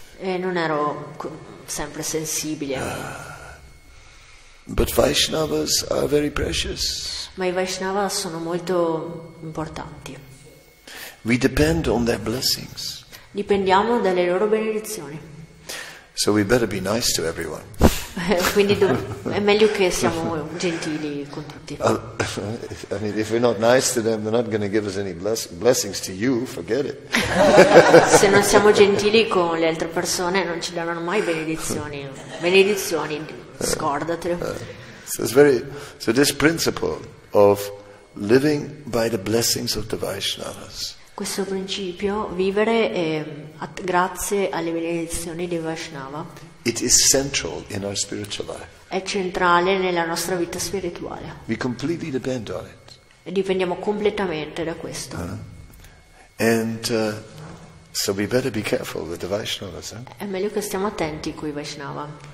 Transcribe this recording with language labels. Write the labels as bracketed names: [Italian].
[Italian] E non ero sempre sensibile. [English] But Vaishnavas are very precious. [Italian] Ma i Vaishnava sono molto importanti. [English] We depend on their blessings. [Italian] Dipendiamo dalle loro benedizioni. [English] So we better be nice to everyone. [Italian] Quindi è meglio che siamo gentili con tutti. [English] I mean, if we're not nice to them, they're not going to give us any blessings to you. Forget it. [Italian] Se non siamo gentili con le altre persone, non ci daranno mai benedizioni. Benedizioni, scordatelo. [English] So this principle of living by the blessings of the Vaishnavas. [Italian] Questo principio, vivere grazie alle benedizioni di Vaishnava, [English] it is central in our spiritual life. [Italian] È centrale nella nostra vita spirituale. [English] We completely depend on it. [Italian] E dipendiamo completamente da questo. [English] So we better be careful with the Vaishnavas. [Italian] È meglio che stiamo attenti con i Vaishnava.